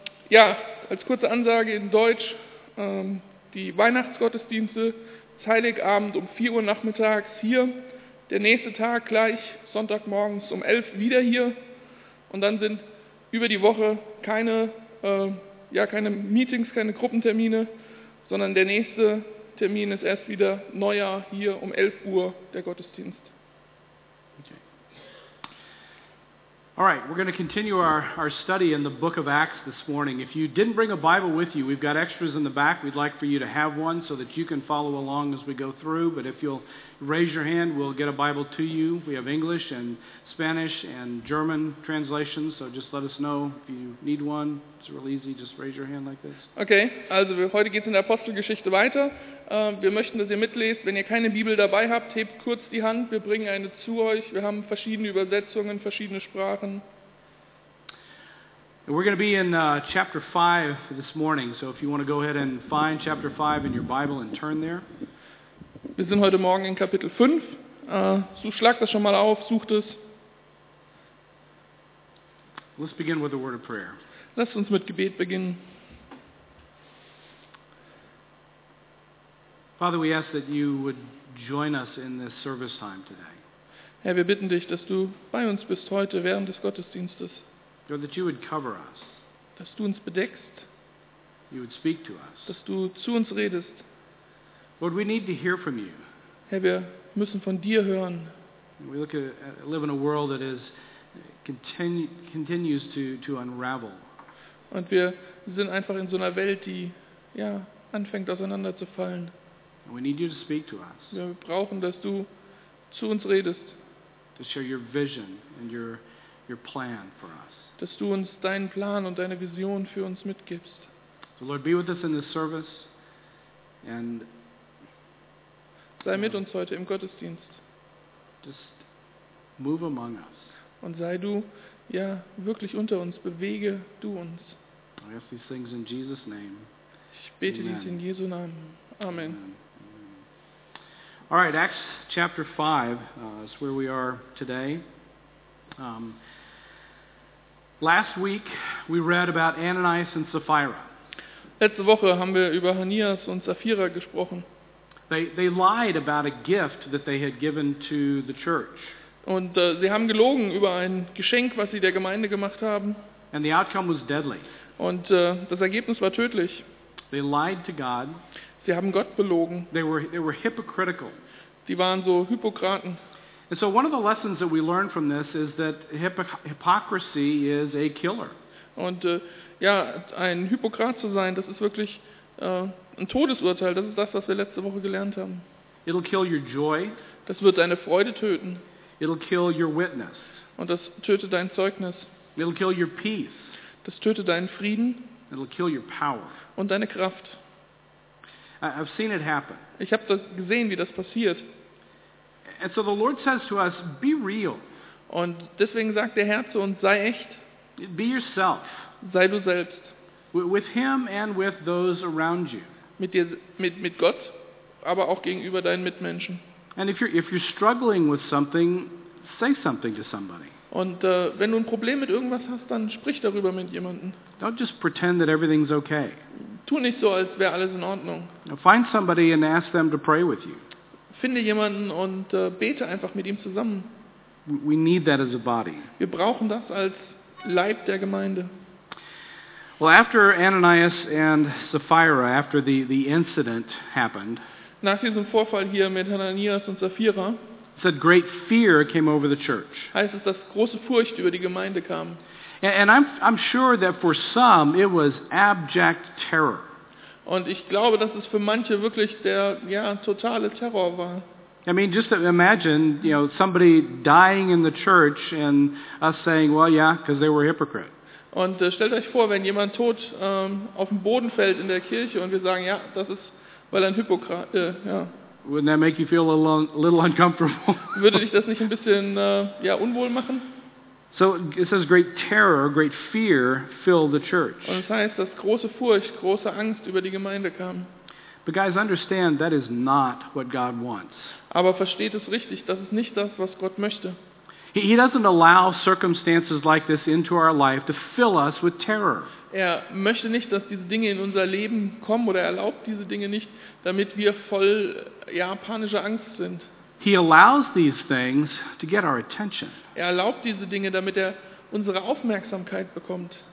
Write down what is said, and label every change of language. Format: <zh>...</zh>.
<de>Ja, als kurze Ansage in Deutsch, die Weihnachtsgottesdienste, Heiligabend um 4 Uhr nachmittags hier, der nächste Tag gleich, Sonntagmorgens um 11 wieder hier, und dann sind über die Woche keine keine Meetings, keine Gruppentermine, sondern der nächste Termin ist erst wieder Neujahr hier um 11 Uhr der Gottesdienst.</de> <en>Okay. All right, we're going to continue our study in the book of Acts this morning. If you didn't bring a Bible with you, we've got extras in the back. We'd like for you to have one so that you can follow along as we go through. But if you'll raise your hand, we'll get a Bible to you. We have English and Spanish and German translations, so just let us know if you need one. It's real easy, just raise your hand like this.</en> <de>Okay, also heute geht's in der Apostelgeschichte weiter. Wir möchten, dass ihr mitlest. Wenn ihr keine Bibel dabei habt, hebt kurz die Hand. Wir bringen eine zu euch. Wir haben verschiedene Übersetzungen, verschiedene Sprachen.</de> <en>We're going to be in chapter 5 this morning, so if you want to go ahead and find chapter 5 in your Bible and turn there.</en> <de>Wir sind heute Morgen in Kapitel 5. So schlag das schon mal auf, sucht es.</de> <en>Let's begin with a word of prayer.</en> <de>Lasst uns mit Gebet beginnen.</de> <en>Father, we ask that you would join us in this service time today.</en> <de>Herr, wir bitten dich, dass du bei uns bist heute während des Gottesdienstes.</de> <en>Lord, that you would cover us.</en> <de>Dass du uns bedeckst.</de> <en>You would speak to us.</en> <de>Dass du zu uns redest.</de> <en>Lord, we need to hear from you.</en> <de>Herr, wir müssen von dir hören.</de> <en>We look at, live in a world that is continues to unravel.</en> <de>Und wir sind einfach in so einer Welt, die ja anfängt auseinanderzufallen.</de> <en>We need you to speak to us.</en> <de>Wir brauchen, dass du zu uns redest.</de> <en>To share your vision and your plan for us.</en> <de>Dass du uns deinen Plan und deine Vision für uns mitgibst.</de> <en>So Lord, be with us in this service and</en> <de>sei mit uns heute im Gottesdienst.</de> <en>Just move among us.</en> <de>Und sei du ja wirklich unter uns. Bewege du uns.</de> <en>I ask these things in Jesus' name.</en> <de>Ich bete Amen. Dies in Jesu Namen. Amen. Amen.</de> <en>All right, Acts chapter 5 is where we are today. Last week we read about Ananias and Sapphira.</en> <de>Letzte Woche haben wir über Hananias und Sapphira gesprochen.</de> <en>They lied about a gift that they had given to the church.</en> <de>Und sie haben gelogen über ein Geschenk, was sie der Gemeinde gemacht haben.</de> <en>And the outcome was deadly.</en> <de>Und das Ergebnis war tödlich.</de> <en>They lied to God.</en> <de>Sie haben Gott belogen.</de> <en>They were hypocritical.</en> <de>Sie waren so Hypokraten.</de> <en>And so one of the lessons that we learn from this is that hypocrisy is a killer.</en> <de>Und ein Hypokrat zu sein, das ist wirklich ein Todesurteil. Das ist das, was wir letzte Woche gelernt haben.</de> <en>It'll kill your joy.</en> <de>Das wird deine Freude töten.</de> <en>It'll kill your witness.</en> <de>Und das tötet dein Zeugnis.</de> <en>It'll kill your peace.</en> <de>Das tötet deinen Frieden.</de> <en>It'll kill your power.</en> <de>Und deine Kraft.</de> <en>I've seen it happen.</en> <de>Ich habe das gesehen, wie das passiert.</de> <en>And so the Lord says to us, be real.</en> <de>Und deswegen sagt der Herr zu uns, sei echt.</de> <en>Be yourself.</en> <de>Sei du selbst.</de> <en>With him and with those around you.</en> <de>Mit dir, mit Gott, aber auch gegenüber deinen Mitmenschen.</de> <en>And if you're struggling with something, say something to somebody.</en> <de>Und wenn du ein Problem mit irgendwas hast, dann sprich darüber mit jemandem.</de> <en>Don't just pretend that everything's okay.</en> <de>Tu nicht so, als wäre alles in Ordnung.</de> <en>Find somebody and ask them to pray with you.</en> <de>Finde jemanden und bete einfach mit ihm zusammen.</de> <en>We need that as a body.</en> <de>Wir brauchen das als Leib der Gemeinde.</de> <en>Well, after Ananias and Sapphira, after the incident happened,</en> <de>nach diesem Vorfall hier mit Ananias und Sapphira,</de> <en>it said great fear came over the church.</en> <de>Heißt es, dass große Furcht über die Gemeinde kam.</de> <en>And I'm sure that for some it was abject terror.</en> <de>Und ich glaube, dass es für manche wirklich der ja totale Terror war.</de> <en>I mean, just imagine, you know, somebody dying in the church and us saying, well, yeah, because they were hypocrites.</en> <de>Und stellt euch vor, wenn jemand tot auf dem Boden fällt in der Kirche und wir sagen, ja, das ist, weil ein Hypokrat, ja.</de> <en>Wouldn't that make you feel a little uncomfortable?</en> <de>Würde dich das nicht ein bisschen ja unwohl machen?</de> <en>So it says great terror, great fear filled the church.</en> <de>Und das heißt, dass große Furcht, große Angst über die Gemeinde kam.</de> <en>But guys, understand that is not what God wants.</en> <de>Aber versteht es richtig, das ist nicht das, was Gott möchte.</de> <en>He doesn't allow circumstances like this into our life to fill us with terror.</en> <de>Er möchte nicht, dass diese Dinge in unser Leben kommen, oder erlaubt diese Dinge nicht, damit wir voll ja panischer Angst sind.</de> <en>He allows these things to get our attention.</en> <de>Er erlaubt diese Dinge, damit er unsere Aufmerksamkeit bekommt.</de>